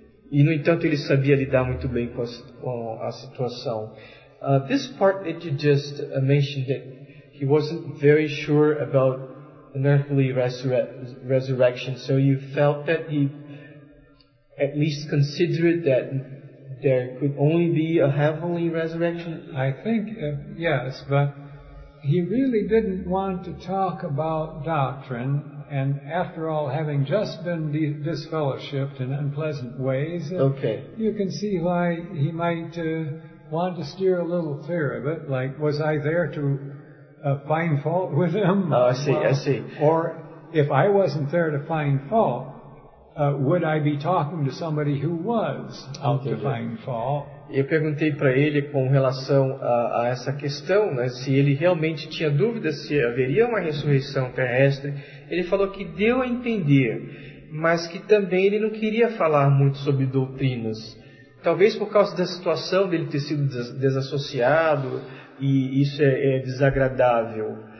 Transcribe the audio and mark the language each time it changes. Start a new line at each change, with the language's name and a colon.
Portuguese: E, no entanto, ele sabia lidar muito bem com a situação.
English: This part that you just mentioned, that he wasn't very sure about an earthly resurrection, so you felt that he at least considered that there could only be a heavenly resurrection? I think, yes, but he really didn't want to talk about doctrine, and after all, having just been disfellowshipped in unpleasant ways, okay, you can see why he might want to steer a little clear of it, like, was I there to find fault with him? Oh, I see, well, I see. Or, if I wasn't there to find fault, would I be talking to somebody who was out to find fault?
Portuguese: Eu perguntei para ele com relação a essa questão, né, se ele realmente tinha dúvidas se haveria uma ressurreição terrestre. Ele falou que deu a entender, mas que também ele não queria falar muito sobre doutrinas. Talvez por causa da situação dele ter sido desassociado, e isso é desagradável.